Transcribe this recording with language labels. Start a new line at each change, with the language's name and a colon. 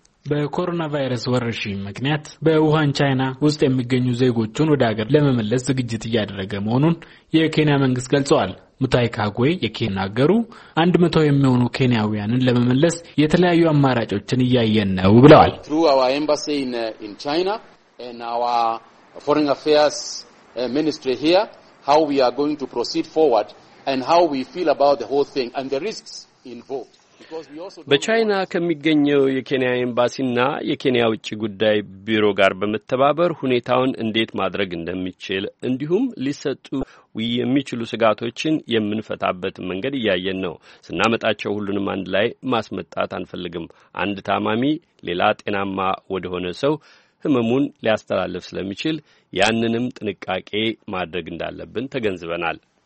Amharic: በኮሮና ቫይረስ ወረርሽኝ ምክንያት በውሃን ቻይና ውስጥ የሚገኙ ዜጎቹን ወደ አገር ለመመለስ ዝግጅት እያደረገ መሆኑን የኬንያ መንግስት ገልጸዋል። ሙታይ ካጎይ የኬንያ አገሩ 100 የሚሆኑ ኬንያውያንን ለመመለስ የተለያዩ አማራጮችን እያየን ነው ብለዋል።
English: Through our embassy in China and our foreign affairs ministry here, how we are going to proceed forward and how we feel about the whole thing and the risks involved.
Amharic: በቻይና ከሚገኘው የኬንያ ኤምባሲና የኬንያ ውጭ ጉዳይ ቢሮ ጋር በመተባበር ሁኔታውን እንዴት ማድረግ እንደሚችል እንዲሁም ሊሰጡ የሚችሉ ስጋቶችን የምንፈታበት መንገድ እያየን ነው። ስናመጣቸው ሁሉንም አንድ ላይ ማስመጣት አንፈልግም። አንድ ታማሚ ሌላ ጤናማ ወደሆነ ሰው ህመሙን ሊያስተላልፍ ስለሚችል ያንንም ጥንቃቄ ማድረግ እንዳለብን ተገንዝበናል።